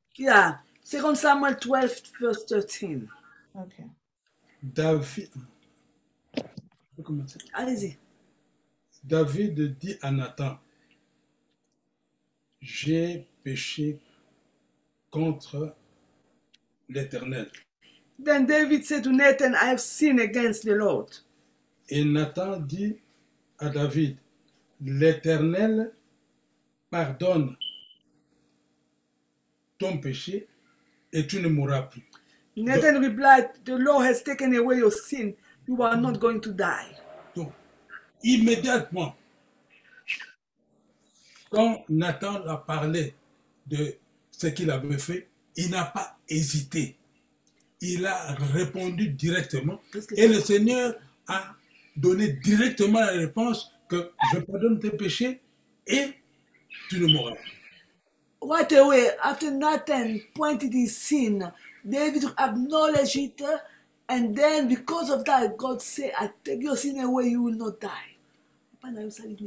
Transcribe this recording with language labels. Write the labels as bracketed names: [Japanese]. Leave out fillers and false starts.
[English] Yeah. 2 Samuel 12, verse 13. [French] David dit à Nathan, j'ai péché contre l'Éternel. [English] Then David said to Nathan, I have sinned against the Lord. [French] Et Nathan dit à David, l'Éternel pardonne ton péché et tu ne mourras plus. [English] Nathan replied, the Lord has taken away your sin. You are not going to die. [French] Donc, immédiatement, quand Nathan a parlé de ce qu'il avait fait, il n'a pas hésité. Il a répondu directement. Et le Seigneur a donné directement la réponse que je pardonne tes péchés et tu ne mourras pas. [English] Right away, after Nathan pointed his sin, David acknowledged it, and then because of that, God said, I take your sin away, you will not die.